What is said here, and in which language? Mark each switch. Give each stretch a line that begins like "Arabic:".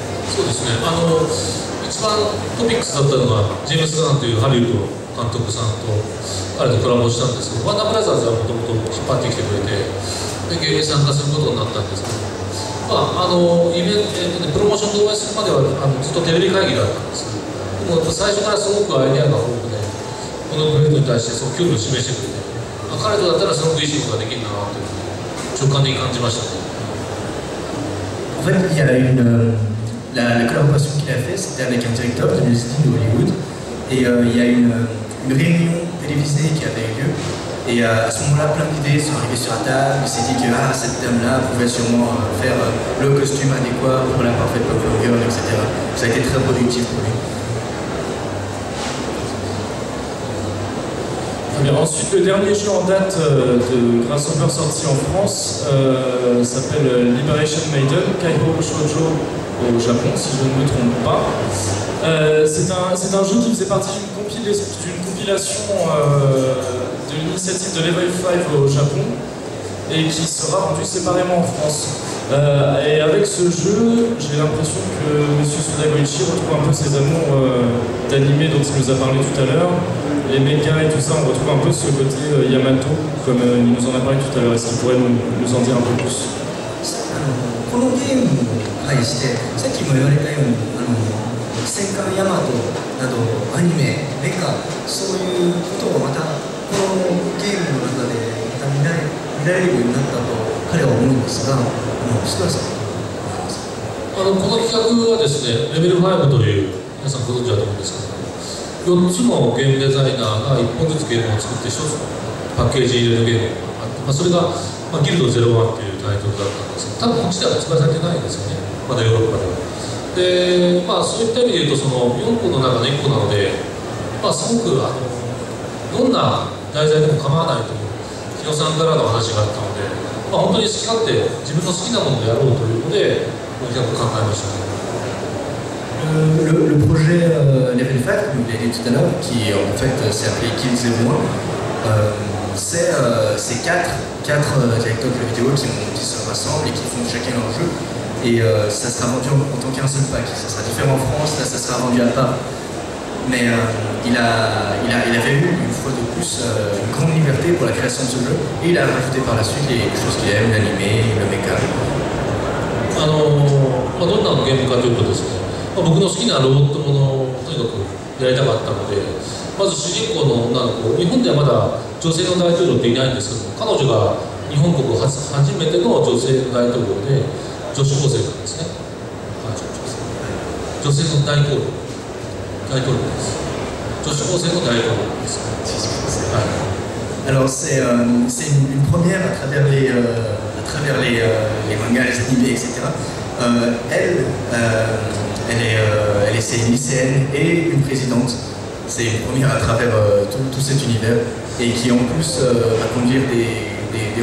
Japanese: そうですね、一番トピックスだったのはジェームス・ガンというハリウッド監督さんと彼とコラボしたんですけど、ワーナー・ブラザーズはもともと引っ張ってきてくれて、で芸人参加することになったんですけど、まあイベント、プロモーションでお会いするまではずっとテレビ会議だったんですけど、でも最初からすごくアイデアが豊富で、このプロジェクトに対して即興で示してくれて、彼とだったらすごくいい仕事ができるなというふうに直感的に感じました。
French: En fait, il y a la collaboration qu'il a fait, c'était avec un directeur d'une usine d'Hollywood. Et il y a une réunion télévisée qui avait eu lieu. Et à ce moment-là, plein d'idées sont arrivées sur la table. Il s'est dit que cette dame-là pouvait sûrement faire le costume adéquat pour la parfaite pop-up girl, etc. Ça a été très productif pour lui. Mais ensuite, le dernier jeu en date de Grasshopper sorti en France s'appelle Liberation Maiden, Kaiho Shoujo au Japon, si je ne me trompe pas. C'est un jeu qui faisait partie d'une compilation de l'initiative de Level 5 au Japon et qui sera rendu séparément en France. Et avec ce jeu, j'ai l'impression que M. Sudagoichi retrouve un peu ses amours d'animé dont il nous a parlé tout à l'heure. Les mechas et tout ça, on retrouve un peu ce côté Yamato, comme il nous en a parlé tout à l'heure. Est-ce qu'il pourrait nous en dire un peu plus?
Japanese: このゲームに対して、さっきも言われたように、戦艦ヤマトなど、アニメ、メカ、そういうことをまた、このゲームの中でまた見られるようになったと、彼は思うんですが、須田さん、この企画はですね、レベル5という、皆さんご存知だと思うんですけど、4つのゲームデザイナーが1本ずつゲームを作って、1つのパッケージ入れるゲームがあって、まあ、それが、まあ、ギルド01っていうタイトルだったんですけど、多分こっちでは発売されてないんですよね、まだヨーロッパでは。で、まあ、そういった意味で言うと、その4個の中の1個なので、まあ、すごくどんな題材でも構わないという、日野さんからの話があったので、まあ、本当に好き勝手、自分の好きなものでやろうということで、この企画を考えました。
French: Le projet Level 5, comme vous l'avez dit tout à l'heure, qui en fait s'est appelé Kill Zero 1, c'est quatre directeurs de jeux vidéo qui se rassemblent et qui font chacun leur jeu. Et ça sera vendu en tant qu'un seul pack. Ça sera différent en France, là ça sera vendu à part. Mais il avait eu une fois de plus une grande liberté pour la création de ce jeu. Et il a rajouté par la suite les choses qu'il aime, l'animé, le mecha.
Japanese: どんなゲームかということですけど、僕の好きなロボットものをとにかくやりたかったので、まず主人公の女の子、日本ではまだ女性の大統領っていないんですけど、彼女が日本国初めての女性の大統領で、女子高生なんですね。女性の大統領です。女子高生の大統領です。はい。
French: Alors c'est une première à travers les mangas, les animés, etc. Elle est lycéenne et une présidente. C'est une première à travers tout cet univers et qui en plus va conduire des